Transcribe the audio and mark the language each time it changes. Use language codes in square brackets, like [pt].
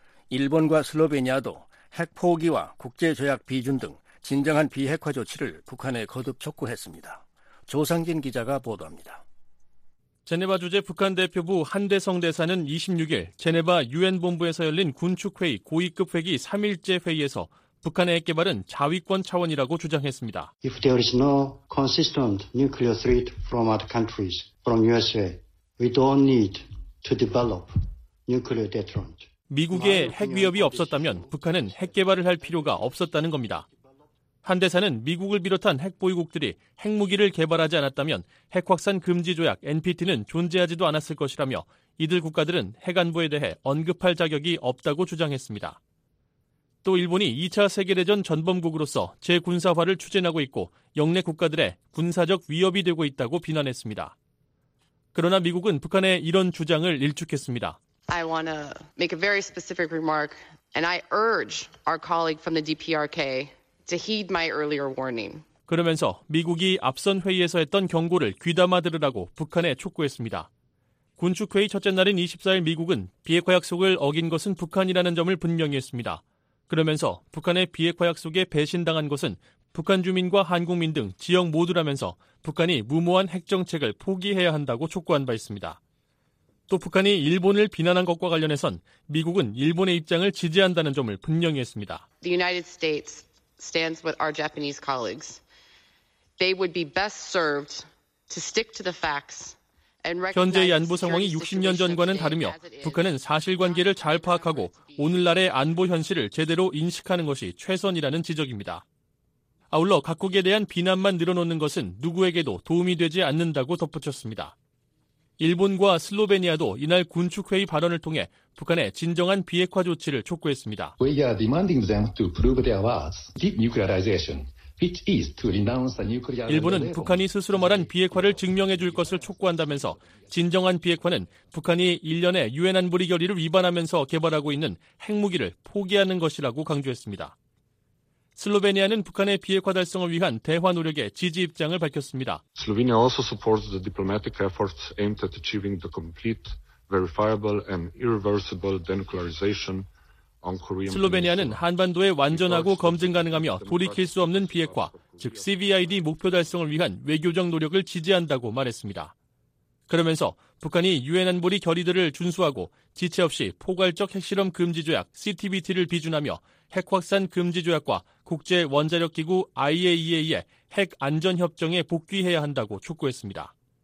[ko] 일본과 슬로베니아도 핵포기와 국제조약 비준 등 진정한 비핵화 조치를 북한에 거듭 촉구했습니다. 조상진 기자가 보도합니다. 제네바 주재 북한 대표부 한대성 대사는 26일 제네바 유엔 본부에서 열린 군축회의 고위급 회기 3일째 회의에서 북한의 핵개발은 자위권 차원이라고 주장했습니다. If there is no consistent nuclear threat from other countries, from USA, we don't need to develop nuclear deterrent. 미국의 핵 위협이 없었다면 북한은 핵 개발을 할 필요가 없었다는 겁니다. 한 대사는 미국을 비롯한 핵 보유국들이 핵무기를 개발하지 않았다면 핵 확산 금지 조약 NPT는 존재하지도 않았을 것이라며 이들 국가들은 핵 안보에 대해 언급할 자격이 없다고 주장했습니다. 또 일본이 2차 세계대전 전범국으로서 재군사화를 추진하고 있고 영내 국가들의 군사적 위협이 되고 있다고 비난했습니다. 그러나 미국은 북한의 이런 주장을 일축했습니다. [en] I want to make a very specific remark and I urge our colleague from the DPRK to heed my earlier warning. [ko] 그러면서 미국이 앞선 회의에서 했던 경고를 귀담아 들으라고 북한에 촉구했습니다. 군축회의 첫째 날인 24일 미국은 비핵화 약속을 어긴 것은 북한이라는 점을 분명히 했습니다. 그러면서 북한의 비핵화 약속에 배신당한 것은 북한 주민과 한국민 등 지역 모두라면서 북한이 무모한 핵정책을 포기해야 한다고 촉구한 바 있습니다. 또 북한이 일본을 비난한 것과 관련해선 미국은 일본의 입장을 지지한다는 점을 분명히 했습니다. [en] The United States stands with our Japanese colleagues. They would be best served to stick to the facts. [ko] 현재의 안보 상황이 60년 전과는 다르며 북한은 사실관계를 잘 파악하고 오늘날의 안보 현실을 제대로 인식하는 것이 최선이라는 지적입니다. 아울러 각국에 대한 비난만 늘어놓는 것은 누구에게도 도움이 되지 않는다고 덧붙였습니다. 일본과 슬로베니아도 이날 군축회의 발언을 통해 북한의 진정한 비핵화 조치를 촉구했습니다. [en] We are demanding them to prove their words. Denuclearization. Which is to renounce the nuclear... [ko] 일본은 북한이 스스로 말한 비핵화를 증명해 줄 것을 촉구한다면서 진정한 비핵화는 북한이 1년에 유엔 안보리 결의를 위반하면서 개발하고 있는 핵무기를 포기하는 것이라고 강조했습니다. 슬로베니아는 북한의 비핵화 달성을 위한 대화 노력에 지지 입장을 밝혔습니다. [en] Slovenia also supports the diplomatic efforts aimed at achieving the complete, verifiable and irreversible denuclearization. [ko] 슬로베니아는 한반도의 완전하고 검증 가능하며 돌이킬 수 없는 비핵화, 즉 CVID 목표 달성을 위한 외교적 노력을 지지한다고 말했습니다. 그러면서 북한이 유엔 안보리 결의들을 준수하고 지체 없이 포괄적 핵실험 금지 조약 CTBT를 비준하며 핵 확산 금지 조약과 국제 원자력 기구 IAEA의 핵 안전 협정에 복귀해야 한다고 촉구했습니다.